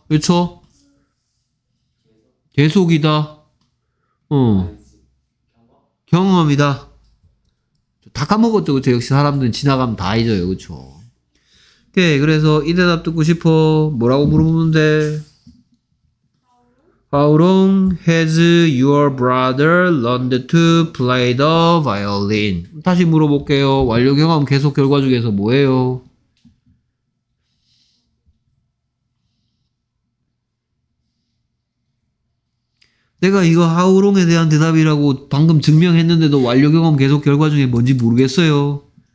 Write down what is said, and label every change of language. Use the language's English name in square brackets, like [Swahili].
[Korean] 그쵸? 계속이다. 경험이다. 다 까먹었죠, 그쵸? 역시 사람들은 지나가면 다 잊어요, 그쵸? 오케이, 그래서 이 대답 듣고 싶어. 뭐라고 물어보는데? [English] How long has your brother learned to play the violin? [Korean] 다시 물어볼게요. 완료 경험 계속 결과 중에서 뭐예요? 내가 이거 how long에 대한 대답이라고 방금 증명했는데도 완료 경험 계속 결과 중에 뭔지 모르겠어요.